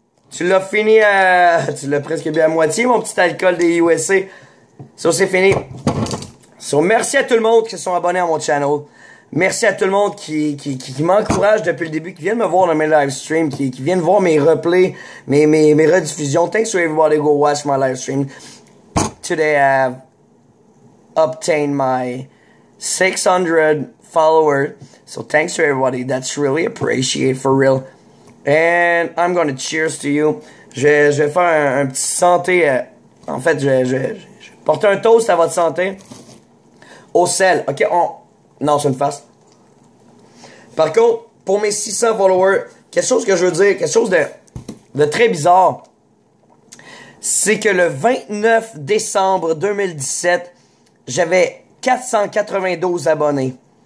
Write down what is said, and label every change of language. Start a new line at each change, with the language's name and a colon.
French: Tu l'as fini à. Tu l'as presque bien à moitié, mon petit alcool des USA. So, c'est fini. So, merci à tout le monde qui se sont abonnés à mon channel. Merci à tout le monde qui m'encourage depuis le début, qui vient de me voir dans mes live streams, qui vient de voir mes replays, mes rediffusions.
English: Thanks to everybody go watch my live stream. Today I have obtained my 600 followers. So thanks to everybody. That's really appreciated for real. And I'm gonna cheers to you.
French: Je vais faire un petit santé. En fait, je vais portez un toast à votre santé. Au sel. Ok, on. Non, c'est une face. Par contre, pour mes 600 followers, quelque chose que je veux dire, quelque chose de très bizarre, c'est que le 29 décembre 2017, j'avais 492 abonnés.